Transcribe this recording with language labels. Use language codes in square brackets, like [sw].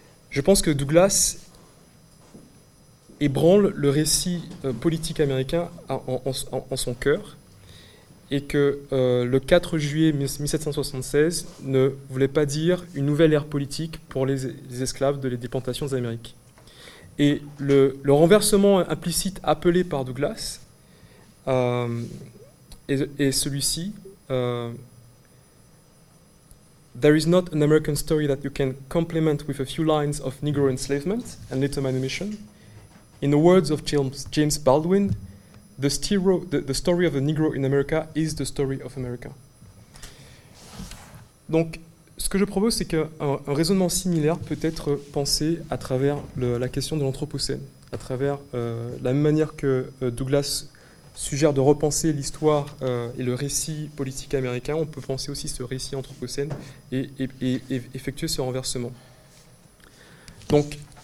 [fr] Je pense que Douglass ébranle le récit politique américain en son cœur et que le 4 juillet 1776 ne voulait pas dire une nouvelle ère politique pour les esclaves des plantations d'Amérique. Et le renversement implicite appelé par Douglass est celui-ci. [en] There is not an American story that you can complement with a few lines of Negro enslavement and little manumission. In the words of James Baldwin, the story of the Negro in America is the story of America. [fr] Donc, ce que je propose, c'est qu'un raisonnement similaire peut être pensé à travers la question de l'anthropocène, à travers la même manière que Douglass suggère de repenser l'histoire et le récit politique américain. On peut penser aussi ce récit anthropocène et effectuer ce renversement. Donc,